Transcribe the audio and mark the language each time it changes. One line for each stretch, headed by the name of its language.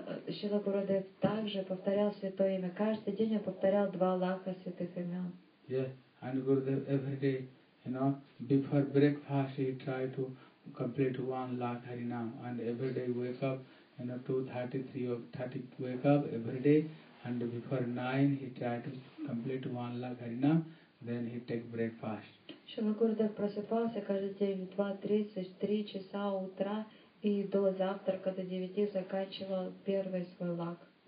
Russian: Шрила Гурудев также повторял святое имя. Каждый день он повторял 2 лакха святых имен.
English: Yeah, and Gurudev every day, you know, before breakfast he try to complete 1 lakh Harinam. And every day wake up, you know, 2:30, 3:30 wake up every day. And before 9, he tried to complete 1 lakh harina, then he take breakfast.
Russian: Шрила Гурудев просыпался каждый день в 2:30, 3 часа утра, и до завтрака, до 9, заканчивал первый свой лак.